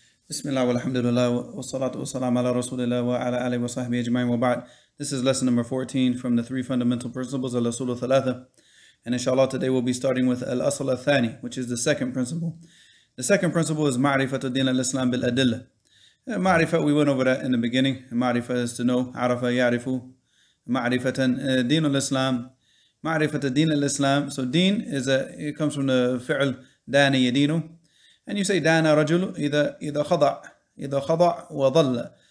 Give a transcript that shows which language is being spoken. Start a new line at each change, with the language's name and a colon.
Arabic: بسم الله والحمد لله والصلاة والسلام على رسول الله وعلى آله وصحبه أجمعين وبعد.
English: This is lesson number 14 from the three fundamental principles of
Arabic: الأصول الثلاثة.
English: And inshallah today we'll be starting with
Arabic: الأصل الثاني,
English: which is the second principle. The second principle is
Arabic: معرفة دين الإسلام بالأدلة. معرفة,
English: we went over that in the beginning. معرفة is to know.
Arabic: عرفة يعرف. معرفة دين الإسلام. معرفة دين الإسلام.
English: So دين is a, it comes from the
Arabic: فعل دان يدينو.
English: And you say
Arabic: دانا رجل إذا خضع وظل.